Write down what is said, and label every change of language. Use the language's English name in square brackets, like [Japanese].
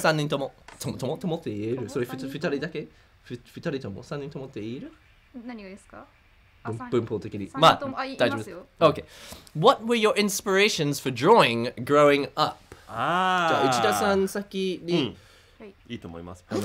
[Japanese] 3人とも。とも、ともって言える?それ2人だけ?2人とも?3人ともって言える? 何がですか? 文法的に。まあ、大丈夫です。 [English] Okay. What were your inspirations for drawing growing up? [Japanese] じゃあ、内田さん先に。いいと思います。